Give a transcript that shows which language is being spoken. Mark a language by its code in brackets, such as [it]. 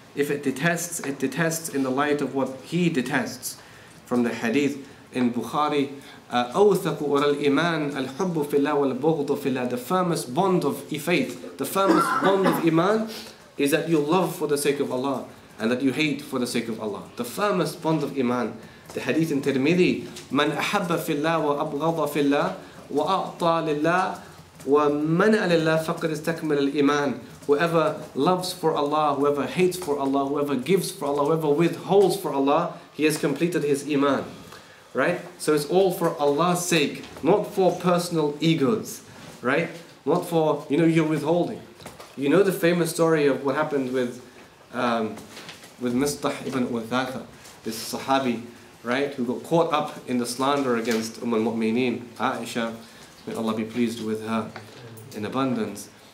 [en] If it detests, it detests in the light of what He detests. From the hadith in Bukhari, [ar] أَوْثَقُ أُرَى الْإِمَانِ الْحُبُّ فِي اللَّهِ وَالْبُغْضُ فِي اللَّهِ. [en] The firmest bond of faith, the firmest bond of iman, is that you love for the sake of Allah and that you hate for the sake of Allah. The firmest bond of iman. The hadith in Tirmidhi, [ar] مَنْ أَحَبَّ فِي اللَّهِ وَأَبْغَضَ فِي اللَّهِ وَأَعْطَى لِلَّهِ وَمَنَأَ لِلَّهِ فَقَدْ اسْتَكْمَلَ الْإِيمَانِ. [en] Whoever loves for Allah, whoever hates for Allah, whoever gives for Allah, whoever withholds for Allah, he has completed his iman, right? So it's all for Allah's sake, not for personal egos, right? Not for, you know, you're withholding. You know the famous story of what happened with Mistah ibn Uthatha, this Sahabi, right, who got caught up in the slander against Ummul Mu'mineen, Aisha, may Allah be pleased with her in abundance.